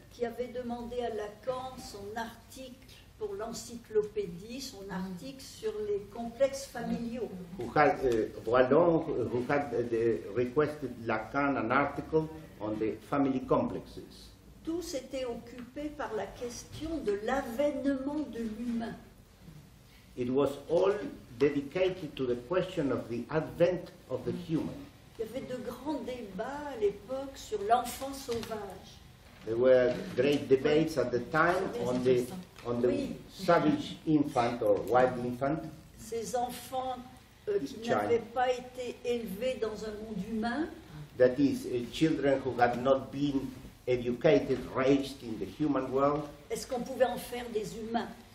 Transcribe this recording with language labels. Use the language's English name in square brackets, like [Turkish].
[French] Qui avait demandé à Lacan son article pour l'encyclopédie, son article sur les complexes familiaux. [English] Wallon requested Lacan an article on the family complexes. [French] tous étaient occupés par la question de l'avènement de l'humain. [English] It was all dedicated to the question of the advent of the human. [French] Il y avait de grands débats à l'époque sur l'enfant sauvage. [English] There were great debates at the time on the savage infant or wild infant. [French] Ces enfants qui n'avaient pas été élevés dans un monde humain. [English] That is, children who had not been educated, raised in the human world. [French] Est-ce qu'on pouvait en faire des humains?